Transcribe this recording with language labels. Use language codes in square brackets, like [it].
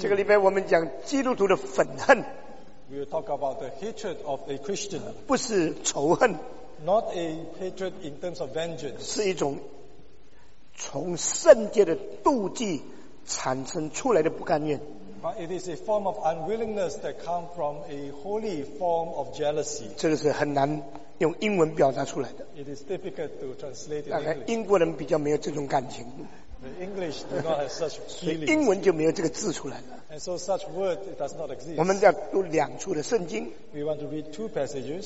[zh] 这个礼拜我们讲基督徒的愤恨。 [en] We will talk about the hatred of a Christian. [zh] 不是仇恨。 [en] Not a hatred in terms of vengeance. [zh] 是一种从圣洁的妒忌产生出来的不甘愿。 [en] But it is a form of unwillingness that comes from a holy form of jealousy. [zh] 这个是很难用英文表达出来的。 [en] It is difficult to translate. [zh] 大概英国人比较没有这种感情。 [en] The English do not have such feelings. [zh] 英文就没有这个字出来了。 [en] And so such word does not exist. [zh] 我们要读两处的圣经。 [en] We want to read two passages.